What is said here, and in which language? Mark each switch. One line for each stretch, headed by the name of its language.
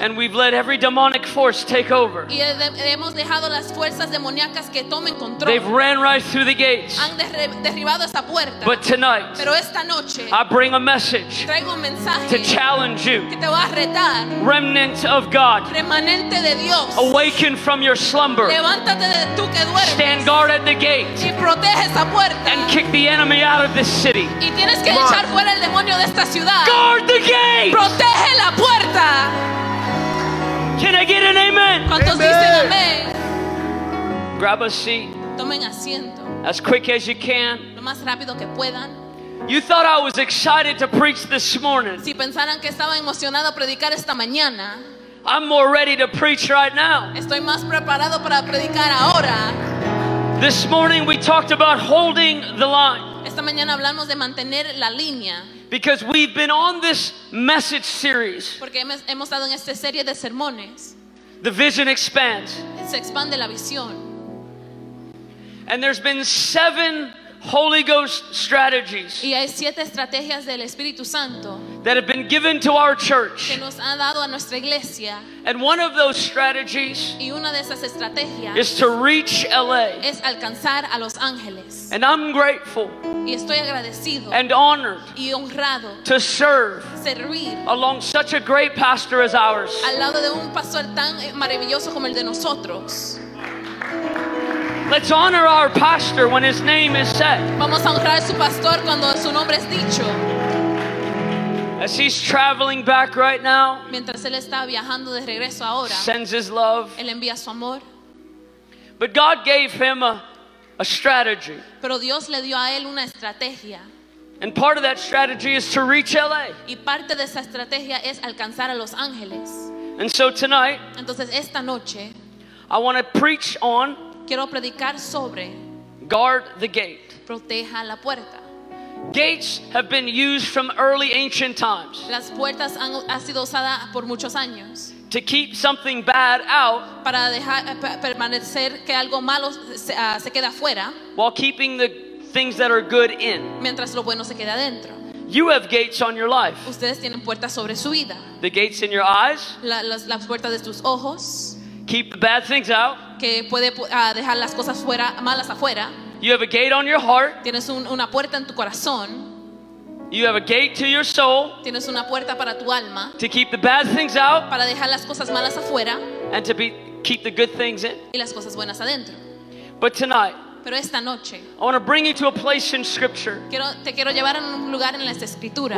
English: And we've let every demonic force take over.
Spanish: Y hemos dejado las fuerzas demoníacas que tomen control.
English: They've ran right through the gates.
Spanish: Han derribado esa puerta.
English: But tonight,
Spanish: pero esta noche,
English: I bring a message.
Spanish: Traigo un mensaje
English: to challenge you.
Spanish: Que te va a retar.
English: Remnant of God.
Spanish: Remanente de Dios.
English: Awaken from your slumber.
Spanish: Levántate de tú que duermes.
English: Stand guard at the gate.
Spanish: Y protege esa puerta.
English: And kick the enemy out of this city.
Spanish: Y tienes que echar fuera el demonio de esta ciudad.
English: Guard the gate.
Spanish: Protege la puerta.
English: Can I get an amen?
Spanish: ¿Cuántos dicen amén?
English: Grab a seat.
Spanish: Tomen asiento.
English: As quick as you can.
Spanish: Lo más rápido que puedan.
English: You thought I was excited to preach this morning.
Spanish: Si pensaran que estaba emocionado a predicar esta mañana.
English: I'm more ready to preach right now.
Spanish: Estoy más preparado para predicar ahora.
English: This morning we talked about holding the line.
Spanish: Esta mañana hablamos de mantener la línea.
English: Because we've been on this message series.
Spanish: Porque hemos estado en esta serie de sermones.
English: The vision expands.
Spanish: Se expande la visión.
English: And there's been 7 Holy Ghost strategies.
Spanish: Y hay 7 estrategias del Espíritu Santo.
English: That have been given to our church.
Spanish: Que nos ha dado a nuestra iglesia.
English: And one of those strategies.
Spanish: Y una de esas estrategias.
English: Is to reach LA.
Spanish: Es alcanzar a Los Ángeles.
English: And I'm grateful.
Spanish: Y estoy agradecido.
English: And honored.
Spanish: Y honrado.
English: To serve.
Spanish: Servir.
English: Along such a great pastor as ours.
Spanish: Al lado de un pastor tan maravilloso como el de nosotros.
English: Let's honor our pastor when his name is said.
Spanish: Vamos a honrar a su pastor cuando su nombre es dicho.
English: As he's traveling back right now.
Spanish: Mientras él está viajando de regreso ahora.
English: Sends his love.
Spanish: Él envía su amor.
English: But God gave him a strategy.
Spanish: Pero Dios le dio a él una estrategia.
English: And part of that strategy is to reach LA.
Spanish: Y parte de esa estrategia es alcanzar a Los Ángeles.
English: And so tonight.
Spanish: Entonces esta noche.
English: I want to preach on.
Spanish: Quiero predicar sobre
English: guard the gate.
Spanish: Proteja la puerta.
English: Gates have been used from early ancient times.
Spanish: Las puertas han sido usadas por muchos años.
English: To keep something bad out.
Spanish: Para dejar permanecer que algo malo se queda fuera.
English: While keeping the things that are good in.
Spanish: Mientras lo bueno se queda dentro.
English: You have gates on your life.
Spanish: Ustedes tienen puertas sobre su vida.
English: The gates in your eyes.
Spanish: Las puertas de tus ojos.
English: Keep the bad things out.
Spanish: Que puede dejar las cosas fuera, malas afuera.
English: You have a gate on your heart.
Spanish: Tienes una puerta en tu corazón.
English: You have a gate to your soul.
Spanish: Tienes una puerta para tu alma.
English: To keep the bad things out.
Spanish: Para dejar las cosas malas afuera.
English: And to keep the good things in.
Spanish: Y las cosas buenas adentro.
English: But tonight.
Spanish: Pero esta noche.
English: I want to bring you to a place in Scripture.
Spanish: Te quiero llevar a un lugar en las Escrituras.